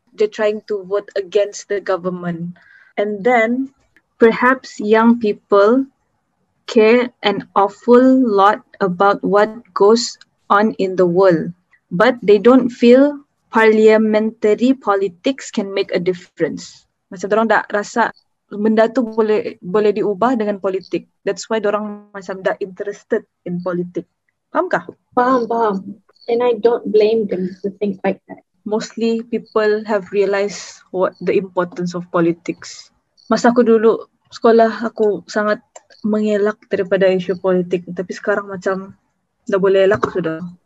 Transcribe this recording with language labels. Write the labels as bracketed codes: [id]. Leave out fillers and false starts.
[en] They're trying to vote against the government. And then, perhaps young people care an awful lot about what goes on in the world. But they don't feel parliamentary politics can make a difference. [ms] Macam dorang tak rasa benda tu boleh boleh diubah dengan politik. [en] That's why [ms] dorang macam tak interested in politik. Fahamkah? Faham. [en] And I don't blame them to think like that. Mostly people have realized what the importance of politics. [ms] Masa aku dulu sekolah, aku sangat mengelak daripada isu politik. Tapi sekarang macam dah boleh elak sudah.